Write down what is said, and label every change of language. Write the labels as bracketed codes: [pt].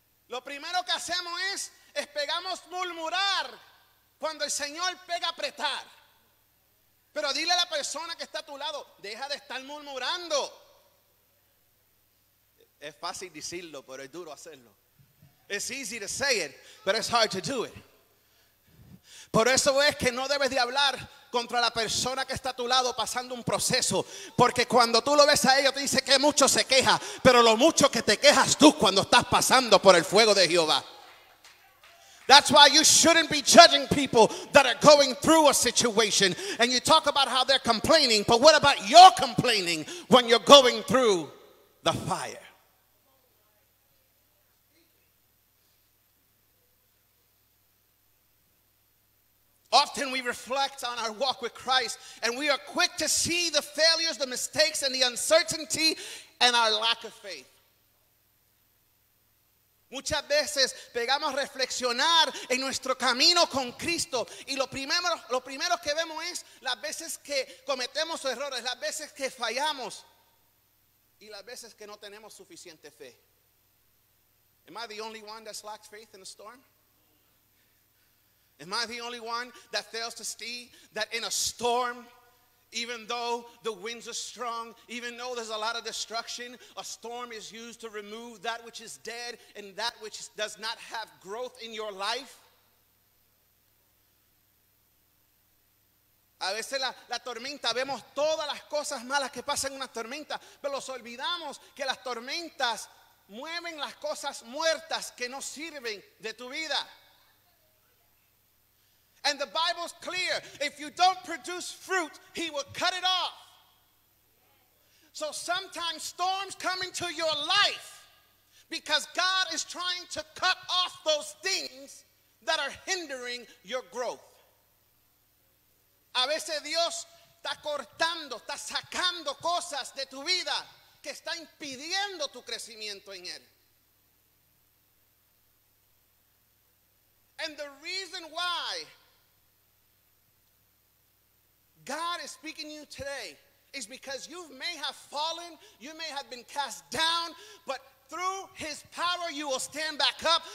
[es] Lo primero que hacemos es pegamos murmurar. Cuando el Señor pega a apretar. Pero dile a la persona que está a tu lado, deja de estar murmurando. Es fácil decirlo, pero es duro hacerlo. [en] It's easy to say it, but it's hard to do it. [es] Por eso es que no debes de hablar contra la persona que está a tu lado pasando un proceso. Porque cuando tú lo ves a ellos, te dice que mucho se queja. Pero lo mucho que te quejas tú cuando estás pasando por el fuego de Jehová. [en] That's why you shouldn't be judging people that are going through a situation. And you talk about how they're complaining, but what about your complaining when you're going through the fire? Often we reflect on our walk with Christ and we are quick to see the failures, the mistakes, and the uncertainty and our lack of faith. [es] Muchas veces pegamos a reflexionar en nuestro camino con Cristo y lo primero que vemos es las veces que cometemos errores, las veces que fallamos y las veces que no tenemos suficiente fe. [en] Am I the only one that lacks faith in a storm? Am I the only one that fails to see that in a storm, even though the winds are strong, even though there's a lot of destruction, a storm is used to remove that which is dead and that which does not have growth in your life. [es] A veces la tormenta, vemos todas las cosas malas que pasan en una tormenta, pero nos olvidamos que las tormentas mueven las cosas muertas que no sirven de tu vida. [en] And the Bible's clear, if you don't produce fruit, he will cut it off. So sometimes storms come into your life because God is trying to cut off those things that are hindering your growth. [es] A veces Dios está cortando, está sacando cosas de tu vida que está impidiendo tu crecimiento en él. [en] And the reason why God is speaking to you today is because you may have fallen, you may have been cast down, but through his power you will stand back up.